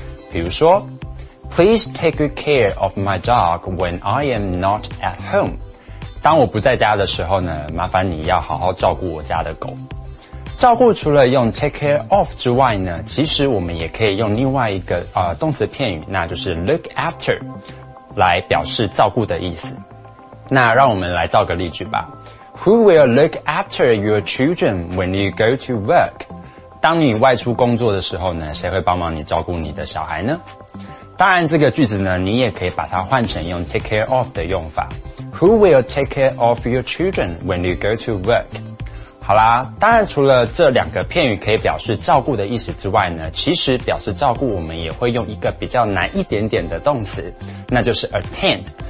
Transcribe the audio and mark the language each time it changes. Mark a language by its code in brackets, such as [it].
[zh] 比如说 [en] ,Please take good care of my dog when I am not at home. [zh] 当我不在家的时候呢麻烦你要好好照顾我家的狗。照顾除了用 [en] take care of [zh] 之外呢其实我们也可以用另外一个动词片语那就是 [en] look after, [zh] 来表示照顾的意思。那让我们来造个例句吧。 [en] Who will look after your children when you go to work? [zh] 当你外出工作的时候呢谁会帮忙你照顾你的小孩呢当然这个句子呢你也可以把它换成用 [en] take care of [zh] 的用法。 [en] Who will take care of your children when you go to work? [zh] 好啦当然除了这两个片语可以表示照顾的意思之外呢其实表示照顾我们也会用一个比较难一点点的动词那就是 attend。